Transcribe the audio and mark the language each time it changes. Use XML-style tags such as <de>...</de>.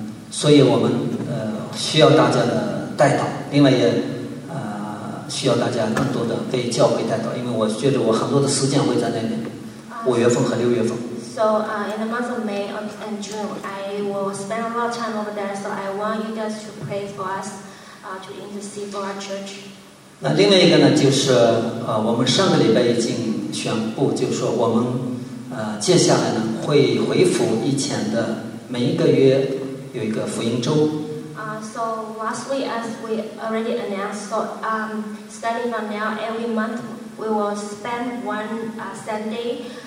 <zh>所以我们需要大家的带导，另外也需要大家更多的被教会带导，因为我觉得我很多的时间会在那边，五月份和六月份。</zh> <en>So in the month of May and June, I will spend a lot of time over there. So I want you guys to pray for us, to intercede for our church.</en> <zh>那另外一个呢，就是我们上个礼拜已经宣布，就是说我们接下来呢会恢复以前的每一个月有一个福音周。</zh> <en>So last week, as we already announced, so starting from now, every month we will spend one Sunday.</en>